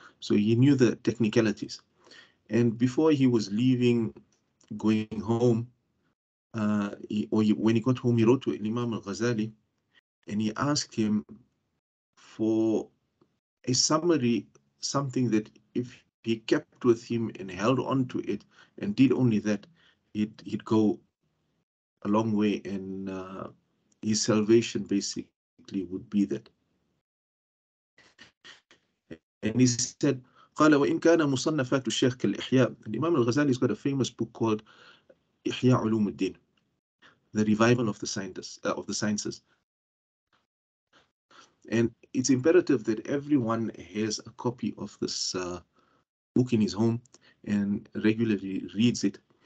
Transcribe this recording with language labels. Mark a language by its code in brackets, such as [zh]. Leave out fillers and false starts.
[en] So he knew the technicalities. And before he was leaving, going home, when he got home, he wrote to Imam Al-Ghazali and he asked him for a summary, something that if he kept with him and held on to it and did only that, he'd go a long way, and his salvation basically would be that. And he said, [ar] قال وإن كان مصنفات الشيخ كالإحياء. [en] Imam Al-Ghazali has got a famous book called إحياء علوم الدين, the revival of the sciences. And it's imperative that everyone has a copy of this book in his home and regularly reads it.